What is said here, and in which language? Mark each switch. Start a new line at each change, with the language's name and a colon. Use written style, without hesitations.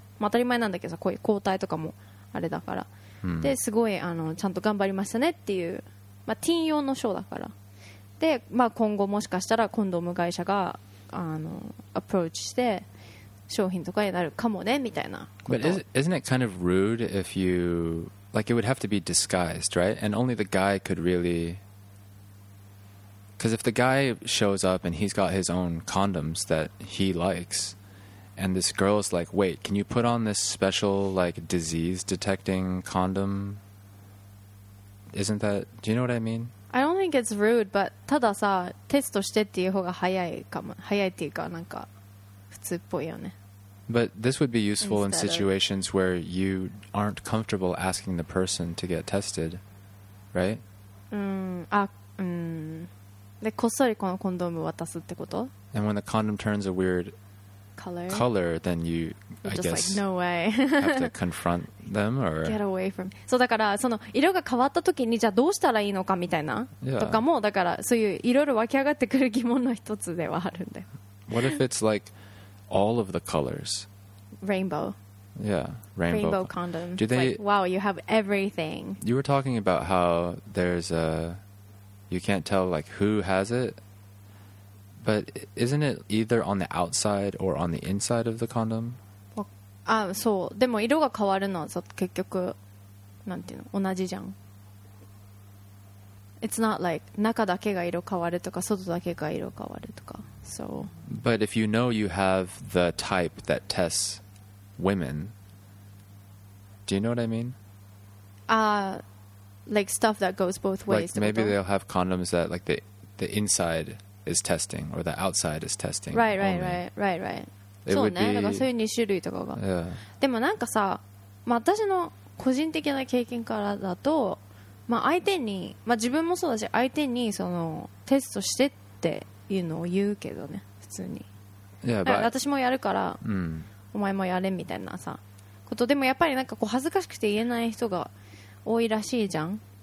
Japanese: まあ、当たり前なんだけどさ、こういう抗体とかもあれだから。ですごいあのちゃんと頑張りましたねっていう、まあ、ティーン用の賞だから。で、まあ、今後もしかしたらコンドーム会社があのアプローチして商品とかになるかもねみたいなこと。
English: But isn't it kind of rude if you like it would have to be disguised, right? And only the guy could really, because if the guy shows up and he's got his own condoms that he likes, and this girl's like, wait, can you put on this special like disease detecting condom? Isn't that? Do you know what I mean? I don't think it's rude, but
Japanese: たださテストしてっていう方が早いかも、早いっていうかなんか普通っぽいよね。 But this would be useful in situations where you aren't comfortable asking the person to get tested, right? で、こっそりこのコンドーム渡すってこと?
English: And when the condom turns a weird color then you, I guess, like, no way. have to confront them or get away from.
Japanese: そうだからその色が変わった時にじゃあどうしたらいいのかみたいな、
English: yeah.
Japanese: とかもだからそういういろいろ湧き上がってくる疑問の一つではあるんだよ。
English: What if it's like all of the colors? Rainbow. Yeah, rainbow. Rainbow condom. Do they, like, wow, you have everything. You were talking about how there's a, you can't tell like who has it, but isn't it either on the outside or on the inside of the condom?
Japanese: Ah, so, でも色が変わるのはさ結局なんていうの同じじゃん。
English: It's not like
Japanese: 中だけが色変わるとか外だけが色変わるとか。So.
English: But if you know you have the type that tests women, do you know what I mean? Like stuff that goes both ways. Like maybe they'll have condoms that like the inside is testing or the outside is testing. Right, right, right, right, right. It would be.
Japanese: そうね。なんかそういう2種類とかが。
English: Yeah.
Japanese: でもなんかさ、まあ私の個人的な経験からだと、まあ相手に、まあ自分もそうだし、相手にそのテストしてっていうのを言うけどね、普通に。
English: Yeah, but
Japanese: 私もやるから、お前もやれみたいなさ、こと。でもやっぱりなんかこう恥ずかしくて言えない人が多いらしいじゃん。